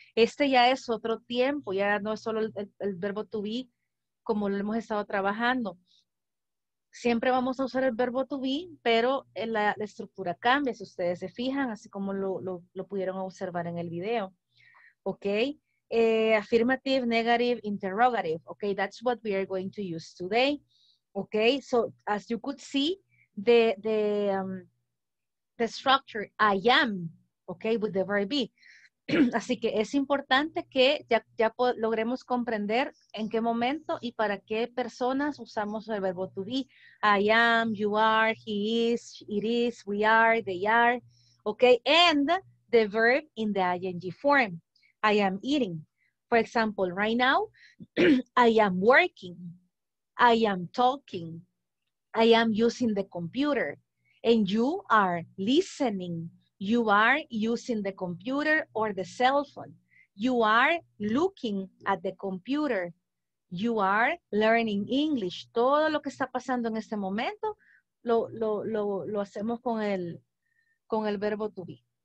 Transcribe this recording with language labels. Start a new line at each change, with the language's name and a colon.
Spanish: Este ya es otro tiempo, ya no es solo el verbo to be como lo hemos estado trabajando. Siempre vamos a usar el verbo to be, pero la estructura cambia, si ustedes se fijan, así como lo pudieron observar en el video.
English: Ok, affirmative, negative, interrogative. Ok, that's what we are going to use today. Ok, so as you could see, the structure, I am, ok, with the verb be.
Spanish: Así que es importante que ya logremos comprender en qué momento y para qué personas usamos el verbo to be.
English: I am, you are, he is, it is, we are, they are. Okay, and the verb in the ing form. I am eating. For example, right now, I am working. I am talking. I am using the computer. And you are listening. You are using the computer or the cell phone. You are looking at the computer. You are learning English.
Spanish: Todo lo que está pasando en este momento lo hacemos con el verbo to be.